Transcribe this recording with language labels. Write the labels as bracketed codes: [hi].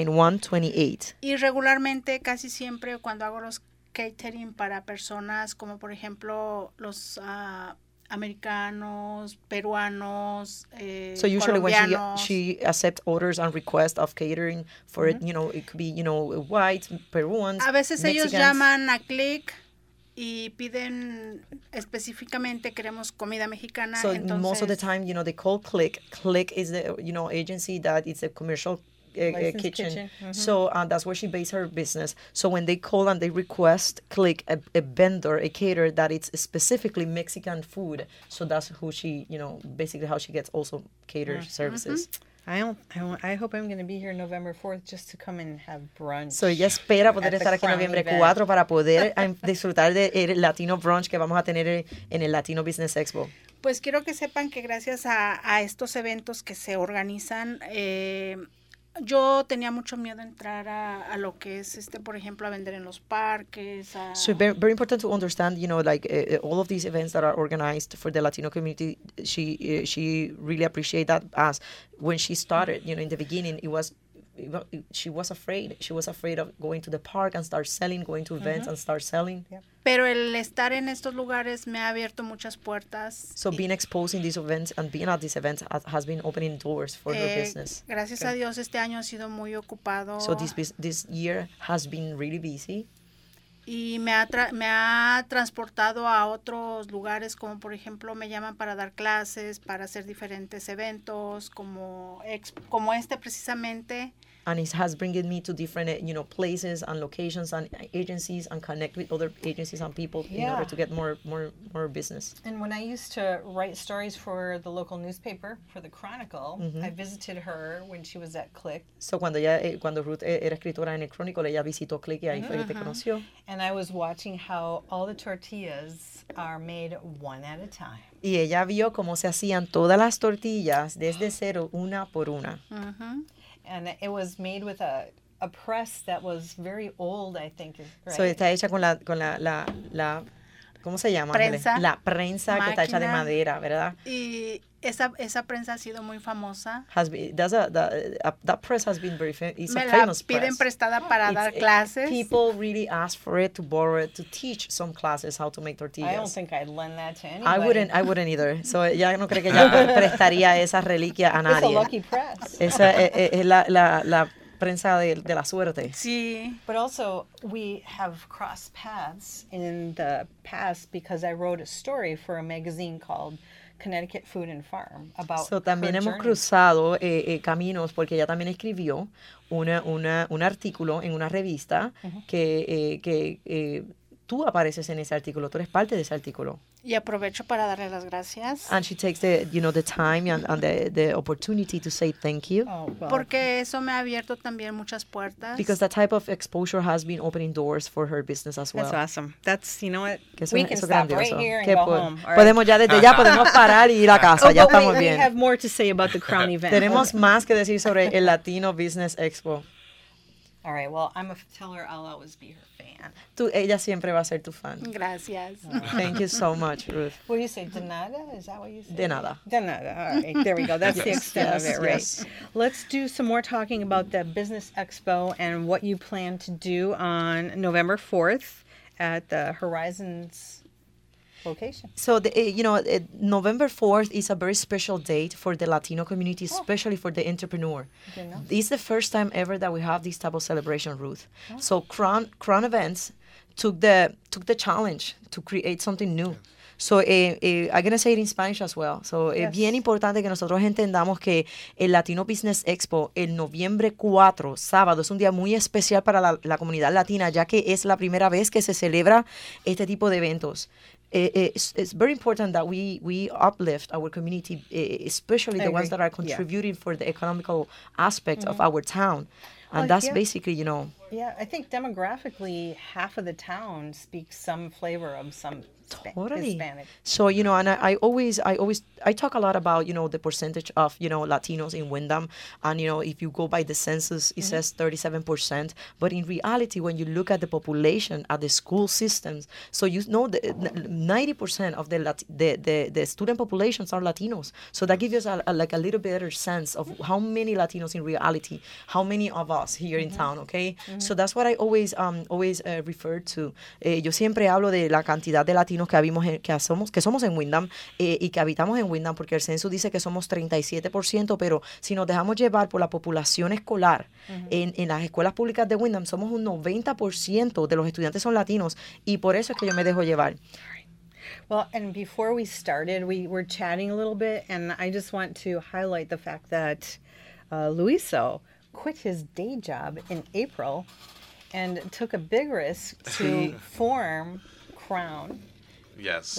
[es] 9128. Y regularmente, casi siempre, cuando hago los catering para personas como, por ejemplo, los americanos, peruanos, [en] so usually when she accepts orders and requests of catering for mm-hmm. it, you know, it could be, you know, white, Peruans, [es] a veces [en] Mexicans. [es] Ellos llaman a click y piden específicamente queremos comida mexicana. [en] So [es] entonces, [en] most of the time, you know, they call click is the, you know, agency that is a commercial kitchen. Mm-hmm. So that's where she based her business. So when they call and they request click a vendor, a caterer, that it's specifically Mexican food, so that's who she, you know, basically how she gets also catered mm-hmm. services. I hope I'm going to be here November 4th just to come and have brunch. [es] So ya espera poder estar aquí noviembre 4 para poder disfrutar de el Latino brunch que vamos a tener en el Latino Business Expo. Pues quiero que sepan que gracias a estos eventos que se organizan, yo tenía mucho miedo entrar a lo que es este, por ejemplo, a vender en los parques. [en] So very, very important to understand, you know, like all of these events that are organized for the Latino community, she really appreciate that as when she started, you know, in the beginning, she was afraid. She was afraid of going to the park and start selling, going to events mm-hmm. and start selling. Yep. [es] Pero el estar en estos lugares me ha abierto muchas puertas. [en] So being exposed in these events and being at these events has been opening doors for her business. [es] Gracias okay. a Dios, este año ha sido muy ocupado. [en] So this year has been really busy. [es] Y me ha transportado a otros lugares, como por ejemplo, me llaman para dar clases, para hacer diferentes eventos, como este precisamente. [en] And it has bringing me to different, you know, places and locations and agencies and connect with other agencies and people yeah. in order to get more business. And when I used to write stories for the local newspaper, for the Chronicle, mm-hmm. I visited her when she was at Click. [es] So cuando Ruth era escritora en el Chronicle, ella visitó Click y ahí fue que te conoció. [en] And I was watching how all the tortillas are made one at a time. [es] Y ella vio cómo se hacían todas las tortillas desde cero, una por una. Uh-huh. [en] And it was made with a press that was very old, I think. Right? [es] So está hecha con la ¿cómo se llama? Prensa. La prensa máquina, que está hecha de madera, ¿verdad? Y esa prensa ha sido muy famosa. [en] That press has been very famous. [es] Me [en] famous [es] la piden [en] press. [es] Prestada para dar clases. [en] People really ask for it to borrow it to teach some classes how to make tortillas. I don't think I'd lend that to anybody. I wouldn't either. [es] So ya no creo que ya prestaría esa reliquia a nadie. [en] It's a lucky press. [es] Esa es la prensa de la suerte. Sí. [en] But also, we have crossed paths in the past because I wrote a story for a magazine called Connecticut Food and Farm about. [es] So también hemos [en] journey. [es] Cruzado caminos porque ella también escribió un artículo en una revista mm-hmm. que tú apareces en ese artículo, tú eres parte de ese artículo. Y aprovecho para darle las gracias. [en] And she takes the, you know, the time and the opportunity to say thank you. Oh, well. [es] Porque eso me ha abierto también muchas puertas. [en] Because that type of exposure has been opening doors for her business as well. That's awesome. That's, you know what? We can stop grandioso. Right here and go home. Right. [es] Podemos ya desde ya, podemos parar y ir a casa. Oh, ya estamos bien. [en] We have more to say about the Crown event. [es] Tenemos más que decir sobre el Latino Business Expo. [en] All right, well, I'm going to tell her I'll always be her. [es] Tú, ella siempre va a ser tu fan. Gracias. [en] Oh. Thank you so much, Ruth. What do you say? [es] De nada? [en] Is that what you say? [es] De nada. De nada. [en] All right. There we go. That's yes. the extent yes. of it, right? Yes. Let's do some more talking about the Business Expo and what you plan to do on November 4th at the Horizons location. So, November 4th is a very special date for the Latino community, especially for the entrepreneur. It's the first time ever that we have this type of celebration, Ruth. Oh. So, Crown Events took the challenge to create something new. So, I'm going to say it in Spanish as well. So, yes. [es] Bien importante que nosotros entendamos que el Latino Business Expo, el noviembre 4, sábado, es un día muy especial para la comunidad latina, ya que es la primera vez que se celebra este tipo de eventos. [en] It's very important that we uplift our community, especially the ones that are contributing for the economical aspect mm-hmm. of our town. And well, that's basically, you know. Yeah, I think demographically, half of the town speaks some flavor of some Totally. Hispanic. So, you know, and I always I talk a lot about, you know, the percentage of, you know, Latinos in Windham. And, you know, if you go by the census, it mm-hmm. says 37%. But in reality, when you look at the population at the school systems, so you know the 90% of the student populations are Latinos. So that gives us a little better sense of how many Latinos in reality, how many of us here mm-hmm. in town, okay? Mm-hmm. So that's what I always refer to. [es] Yo siempre hablo de la cantidad de Latinos que somos en Windham y que habitamos en Windham, porque el censo dice que somos 37%, pero si nos dejamos llevar por la población escolar uh-huh. en las escuelas públicas de Windham, somos un 90% de los estudiantes son latinos, y por eso es que yo me dejo llevar. [en] Well, and before we started, we were chatting a little bit, and I just want to highlight the fact that Luiso quit his day job in April and took a big risk to form Crown. Yes.